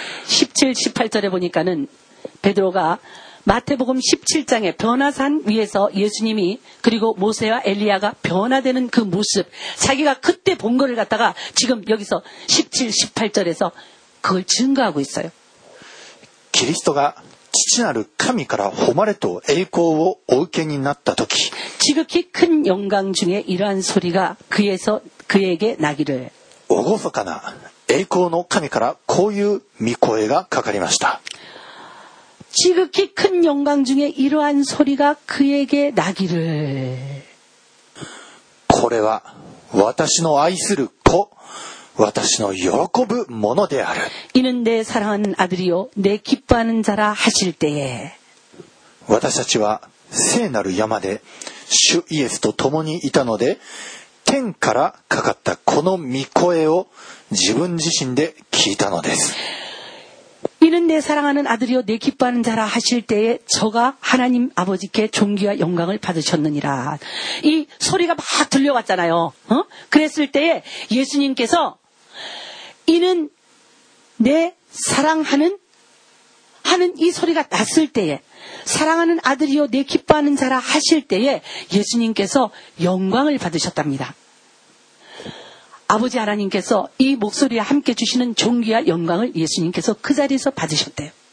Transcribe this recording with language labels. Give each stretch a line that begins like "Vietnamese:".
Korean: 17、18절에보니까는베드로가마태복음17장에변화산위에서예수님이그리고모세와엘리야가변화되는그모습자기가그때본거를갖다가지금여기서17、18절에서그걸증거하고있어요
Japanese: キリストが父なる神から誉れと栄光をお受けになった時
Korean: 지극히큰영광중에이러한소리가그에서그에게나기를
Japanese: 오고소카나栄光の神からこういう御声がかかりました
Korean: 지극히큰영광중에이러한소리가그에게나기를
Japanese: これは私の愛する子私の喜ぶものである。
Korean: 이는내사랑하는아들이요내기뻐하는자라하실때에
Japanese: 私たちは聖なる山で主イエスと共にいたので天からかかったこの御声を自分自身で聞いたのです。
Korean: 이는내사랑하는아들이요내기뻐하는자라하실때에저가하나님아버지께존귀와영광을받으셨느니라이소리가막들려왔잖아요어그랬을때에예수님께서이는내사랑하는하는이소리가났을때에사랑하는아들이요내기뻐하는자라하실때에예수님께서영광을받으셨답니다아버지하나님께서이목소리와함께주시는존귀와영광을예수님께서그자리에서받으셨대요